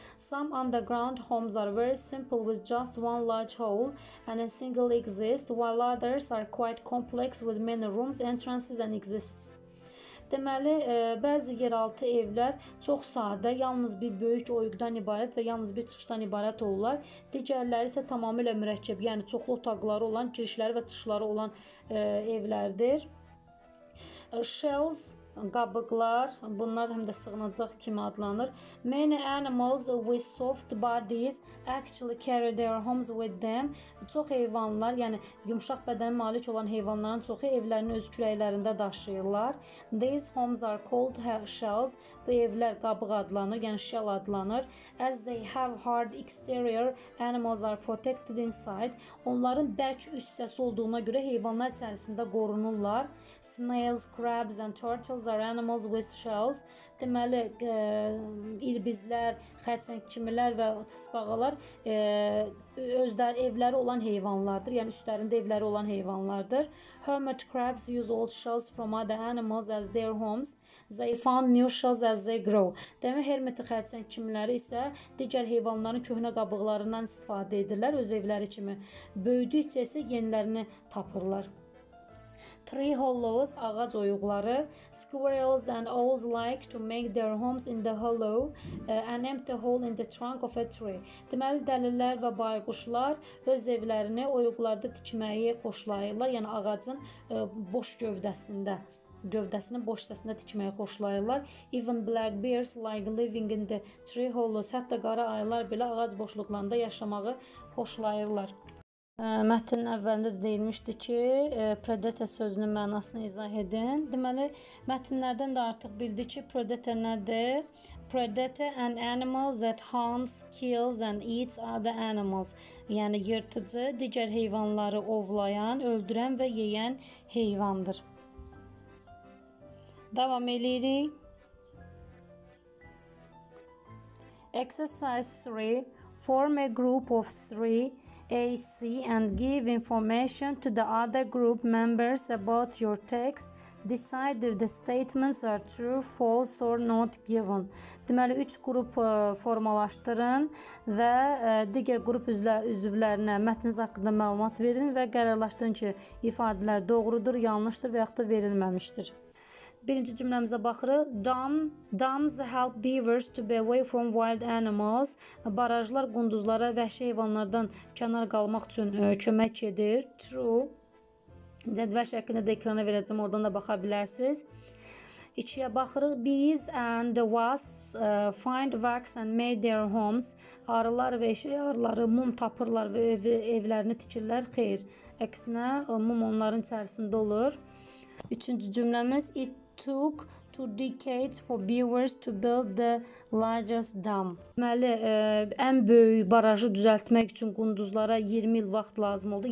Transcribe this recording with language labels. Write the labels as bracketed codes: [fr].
[en] Some underground homes are very simple with just one large hole and a single exit, while others are quite complex with many rooms, entrances and exits. [az] Deməli, bəzi yeraltı evlər çox sadə, yalnız bir böyük oyuqdan ibarət və yalnız bir çıxışdan ibarət olurlar. Digərləri isə tamamilə mürəkkəb, yəni çoxlu otaqları olan, girişləri və çıxışları olan evlərdir. Shells qabıqlar, bunlar həm də sığınacaq kimi adlanır. [en] Many animals with soft bodies actually carry their homes with them. [az] Çox heyvanlar, yəni yumşaq bədənə malik olan heyvanların çoxu evlərini öz kürəklərində daşıyırlar. [en] These homes are called shells. [az] Bu evlər qabıq adlanır, yəni shell adlanır. [en] As they have hard exterior, animals are protected inside. [az] Onların bərk üst hissəsi olduğuna görə heyvanlar içərisində qorunurlar. [en] Snails, crabs and turtles are animals with shells. [az] Deməli, ilbizlər, xərçəng kimilər və tısbağalar özləri evləri olan heyvanlardır. Yəni üstlərində evləri olan heyvanlardır. [en] Hermit crabs use old shells from other animals as their homes. They found new shells as they grow. [az] Deməli, hermit xərçəng kimiləri isə digər heyvanların köhnə qabıqlarından istifadə edirlər öz evləri kimi. Böyüdükcə isə yenilərini tapırlar. [en] Tree hollows, [az] ağac oyuqları. [en] Squirrels and owls like to make their homes in the hollow, an empty hole in the trunk of a tree. [az] Deməli, dəlilər və bayquşlar öz evlərini oyuqlarda tikməyi xoşlayırlar, yəni ağacın boş gövdəsində. Gövdəsinin boş hissəsində tikməyi xoşlayırlar. [en] Even black bears like living in the tree hollows. [az] Hətta qara ayılar belə ağac boşluqlarında yaşamağı xoşlayırlar. Mətnin əvvəlində də deyilmişdi ki, predator sözünün mənasını izah edin. Deməli, mətnlərdən də artıq bildik ki, predator nədir? [en] Predator, an animal that hunts, kills and eats other animals. [az] Yəni, yırtıcı, digər heyvanları ovlayan, öldürən və yeyən heyvandır. Davam edirik. [en] Exercise 3. Form a group of 3. AC and give information to the other group members about your text. Decide if the statements are true, false or not given. [az] Deməli, 3 qrup formalaşdırın və digər qrup üzvlərinə mətniniz haqqında məlumat verin və qərarlaşdırın ki, ifadələr doğrudur, yanlışdır və yaxud da verilməmişdir. Birinci cümləmizə baxırıq. [en] Dams help beavers to be away from wild animals. [az] Barajlar qunduzlara vəhşi heyvanlardan kənar qalmaq üçün kömək edir. True. Cədvəl şəklində də ekrana verəcəm, oradan da baxa bilərsiniz. İkiyə baxırıq. [en] Bees and the wasps find wax and make their homes. [az] Arılar və eşək arıları mum tapırlar və evlərini tikirlər. Xeyr. Əksinə, mum onların içərisində olur. Üçüncü cümləmiz. [en] It took 2 decades for beavers to build the largest dam. [az] Deməli, ən böyük barajı düzəltmək üçün qunduzlara 20 il vaxt lazım oldu.